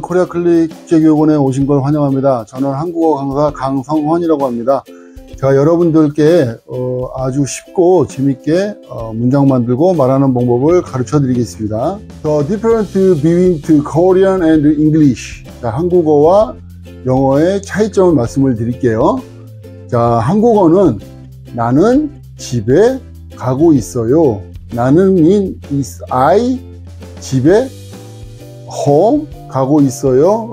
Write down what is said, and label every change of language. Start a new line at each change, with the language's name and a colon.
Korean: 코리아 클릭 재교육원에 오신 걸 환영합니다. 저는 한국어 강사 강성헌이라고 합니다. 제가 여러분들께 아주 쉽고 재밌게 문장 만들고 말하는 방법을 가르쳐 드리겠습니다.
English: The difference between Korean and English.
Korean: 자, 한국어와 영어의 차이점을 말씀을 드릴게요. 자, 한국어는 나는 집에 가고 있어요. 나는 mean is I 집에 home 가고 있어요.